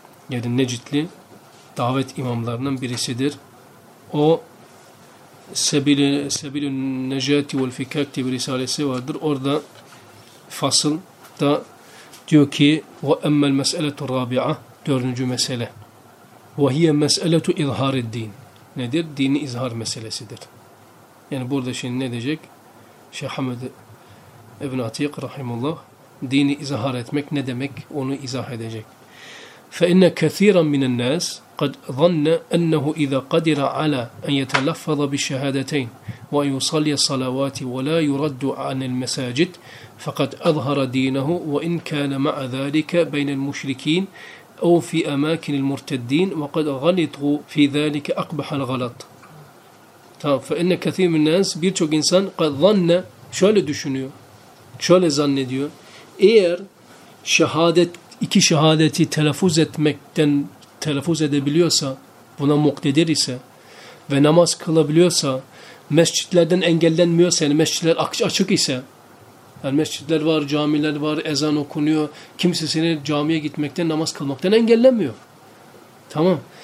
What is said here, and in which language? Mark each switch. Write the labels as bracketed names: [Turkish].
[Turkish] Yani Necidli davet imamlarının birisidir. O Sebilün Necati vel Fikak diye bir risalesi vardır. Orada fasıl da diyor ki [Arabic] وَاَمَّا الْمَسْأَلَةُ الرَّابِعَةُ [Turkish] Dördüncü mesele. [Arabic] وَهِيَ مَسْأَلَةُ اِظْهَارِ الدِّينِ [Turkish] Nedir? Dini izhar meselesidir. Yani burada şimdi ne diyecek? Şeyh Hamed İbn Atik Rahimullah dini izhar etmek ne demek? Onu izah edecek. [Arabic] فإن كثيرا من الناس قد ظن أنه إذا قدر على أن يتلفظ بالشهادتين وأن يصلي الصلوات ولا يرد عن المساجد فقد أظهر دينه وإن كان مع ذلك بين المشركين أو في أماكن المرتدين وقد غلطوا في ذلك أقبح الغلط. فإن كثير من الناس [Turkish] birçok insan [Arabic] قد ظن [Turkish] şöyle düşünüyor, şöyle zannediyor. Eğer şehadet İki şehadeti telaffuz etmekten telaffuz edebiliyorsa, buna muktedir ise ve namaz kılabiliyorsa, mescitlerden engellenmiyorsa, yani mescitler açık ise, yani mescitler var, camiler var, ezan okunuyor, kimse seni camiye gitmekten, namaz kılmaktan engellemiyor. Tamam.